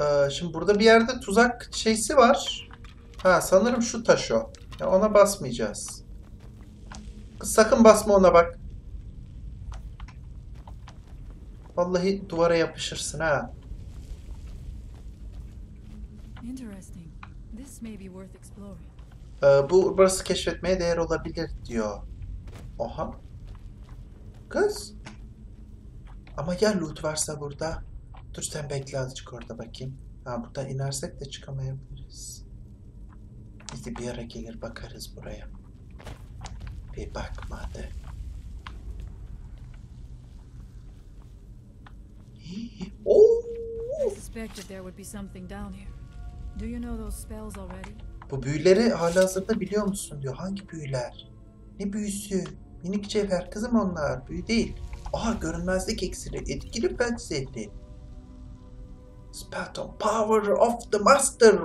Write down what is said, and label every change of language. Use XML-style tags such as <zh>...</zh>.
<tr>Şimdi burada bir yerde tuzak şeysi var. Ha, sanırım şu taş o. Ya ona basmayacağız. Sakın basma ona bak. Vallahi duvara yapışırsın ha.</tr> <en>Interesting. This may be worth exploring.</en> <tr>Burası keşfetmeye değer olabilir diyor. Oha. Kız. Ama ya loot varsa burada? Dur sen bekle azıcık orada bakayım. Ha, buradan inersek de çıkamayabiliriz. Biz de bir ara gelir bakarız buraya. Bir bakma hadi.</tr> <en>Oooo! I suspected there would be something down here. Do you know those spells already?</en> <tr>Bu büyüleri halihazırda biliyor musun diyor. Hangi büyüler? Ne büyüsü? Minik cevher kızım onlar. Büyü değil. Aha, görünmezlik eksili. Etkili benzeri.</tr> <en>Spell power of the master.</en>